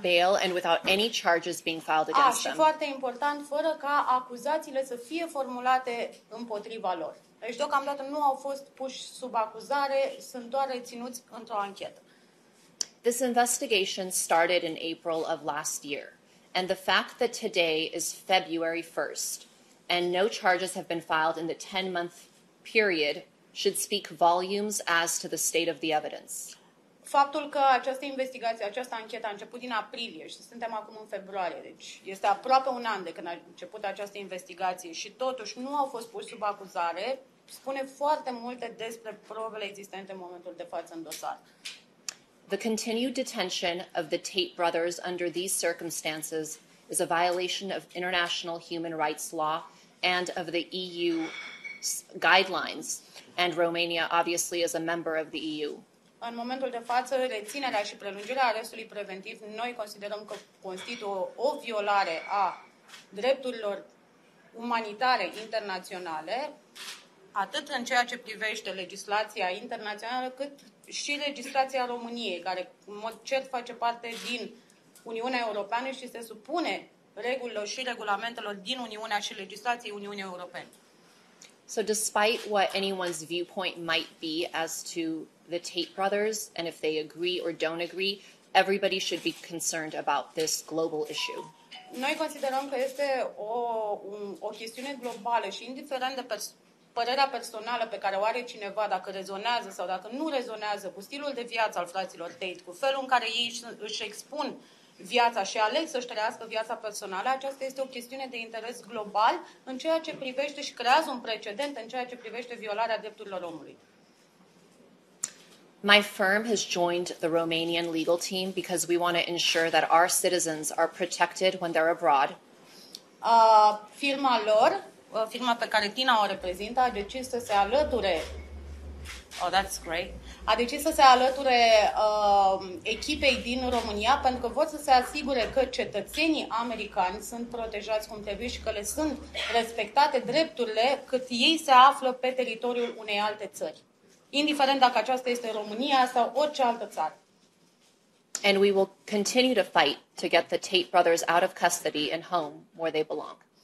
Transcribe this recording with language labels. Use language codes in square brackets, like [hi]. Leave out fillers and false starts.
[en] Bail and without any charges being filed against [ro] them. Și foarte important, fără ca acuzațiile să fie formulate împotriva lor. Deci deocamdată nu au fost puși sub acuzare, sunt doar reținuți într-o anchetă. [en] This investigation started in April of last year. And the fact that today is February 1st and no charges have been filed in the 10-month period should speak volumes as to the state of the evidence. [ro] Faptul că această investigație, această anchetă a început din aprilie și suntem acum în februarie, deci este aproape un an de când a început această investigație și totuși nu au fost puși sub acuzare, spune foarte multe despre probele existente în momentul de față în dosar. [en] The continued detention of the Tate brothers under these circumstances is a violation of international human rights law and of the EU guidelines, and Romania obviously is a member of the EU. [ro] În momentul de față, reținerea și prelungirea arestului preventiv, noi considerăm că constituie o violare a drepturilor umanitare internaționale, atât în ceea ce privește legislația internațională, cât și legislația României, care în mod cert face parte din Uniunea Europeană și se supune regulilor și regulamentelor din Uniunea și legislației Uniunii Europene. [en] So despite what anyone's viewpoint might be as to the Tate brothers and if they agree or don't agree, everybody should be concerned about this global issue. [ro] Noi considerăm că este o chestiune globală și indiferent de părerea personală pe care o are cineva, dacă rezonează sau dacă nu rezonează cu stilul de viață al fraților Tate, cu felul în care ei își expun viața și aleg să-și trăiască viața personală, aceasta este o chestiune de interes global în ceea ce privește și creează un precedent în ceea ce privește violarea drepturilor omului. [en] My firm has joined the Romanian legal team because we want to ensure that our citizens are protected when they're abroad. [ro] Firma pe care Tina o reprezintă, a decis să se alăture. [en] Oh, that's great. [ro] A decis să se alăture echipei din România pentru că vor să se asigure că cetățenii americani sunt protejați cum trebuie și că le sunt respectate drepturile cât ei se află pe teritoriul unei alte țări. Indiferent dacă aceasta este România sau orice altă țară. [en] And we will continue to fight to get the Tate brothers out of custody and home where they belong.